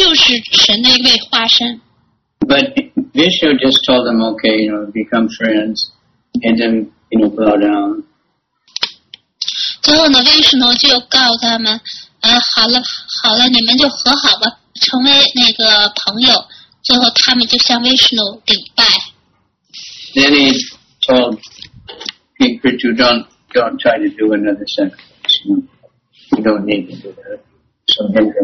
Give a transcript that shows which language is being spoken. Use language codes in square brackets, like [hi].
[en] But Vishnu just told them, okay, you know, become friends, and then, you know, bow down. [zh] 最后呢 ，Vishnu 就告诉他们，好了，好了，你们就和好吧，成为那个朋友。最后他们就向 Vishnu 顶拜。 [en] Then he told King Prithu, don't try to do another sacrifice. You know, you don't need to do that.